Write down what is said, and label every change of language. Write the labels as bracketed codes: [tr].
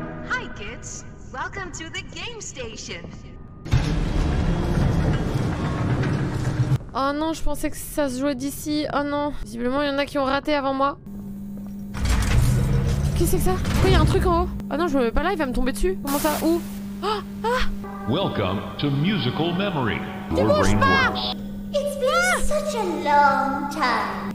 [en] Hi kids, welcome to the game station. [fr] Oh non, je pensais que ça se jouait d'ici. Oh non. Visiblement, il y en a qui ont raté avant moi. Qu'est-ce que c'est que ça? Pourquoi il y a un truc en haut? Oh non, je me mets pas là, il va me tomber dessus. Comment ça? Où? Oh, ah. [en] Welcome to musical memory. [fr] Ne bouge pas. [en] It's been such a long time.